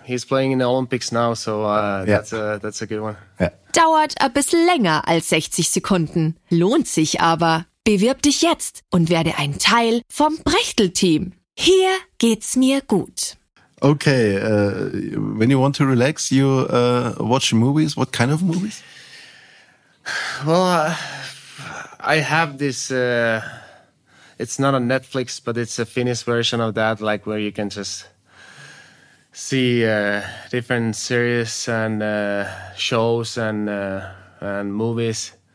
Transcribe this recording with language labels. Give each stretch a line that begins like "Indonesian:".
English: He's playing in the Olympics now, so that's a good one. Yeah.
German: Dauert ein bisschen länger als 60 Sekunden. Lohnt sich aber. Bewirb dich jetzt und werde ein Teil vom Brechtl-Team. Hier geht's mir gut.
English: Okay, when you want to relax, you watch movies. What kind of movies? Well, I have this, it's not on Netflix, but it's a Finnish version of that, like where you can just see different series and shows and movies.